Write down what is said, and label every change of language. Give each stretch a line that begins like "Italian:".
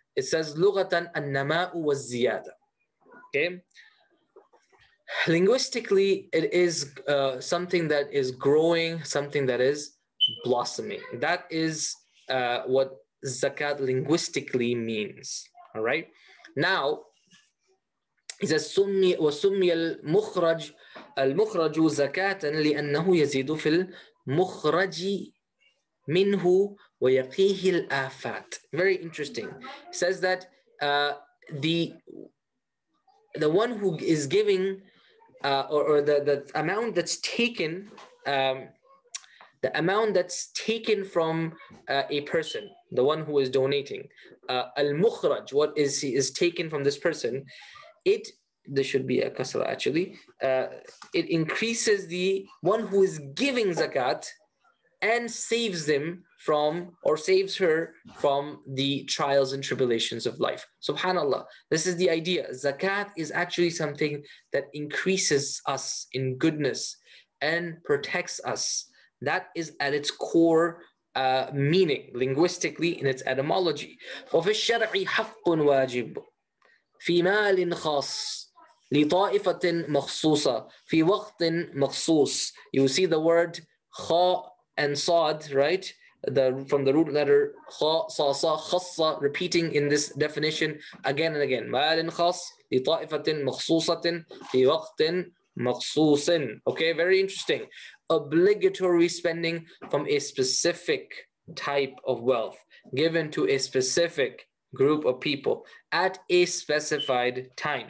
English: It says,
Arabic: lughatan an-nama'u wa-ziyada.
English: Okay? Linguistically, it is something that is growing, something that is blossoming. That is what zakat linguistically means. All right? Now, it says,
Arabic: وَسُمِّيَ الْمُخْرَجُ المخرج زكاتا لأنه يزيد في المخرج منه ويقيه الآفات.
English: Very interesting. It says that the one who is giving the amount that's taken the amount that's taken from a person, the one who is donating, المخرج, what is taken from this person, it, this should be a kasra actually, it increases the one who is giving zakat and saves them from, or saves her from, the trials and tribulations of life. Subhanallah, this is the idea. Zakat is actually something that increases us in goodness and protects us. That is at its core meaning, linguistically, in its etymology.
Arabic: وَفِي الشَّرْعِ حَقٌ وَاجِبٌ فِي مَالٍ خَاصٍ لطائفة مخصوصة في وقت مخصوص.
English: You see the word kha and sad, right? The from the root letter kha sa sa khassa, repeating in this definition again and again.
Arabic: مال خاص لطائفة مخصوصة في وقت مخصوص.
English: Okay, very interesting. Obligatory spending from a specific type of wealth given to a specific group of people at a specified time.